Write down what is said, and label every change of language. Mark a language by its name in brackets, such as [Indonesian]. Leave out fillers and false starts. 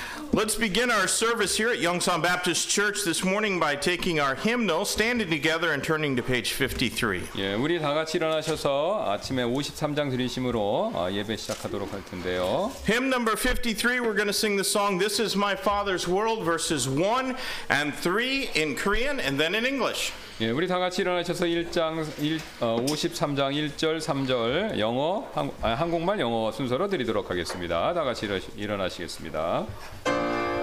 [English] Let's begin our service here at Yongsan Baptist Church this morning by taking our hymnal, standing together and turning to page 53. [Korean] 예, 우리 다 같이 일어나셔서 아침에 53장 드리심으로 예배 시작하도록 할 텐데요. [English] Hymn number 53, we're going to sing the song This is My Father's World, verses 1 and 3 in Korean and then in English. [Korean] 예, 우리 다 같이 일어나셔서 53장 1절, 3절 영어, 한국말 영어 순서로 드리도록 하겠습니다. 다 같이 일어나시겠습니다.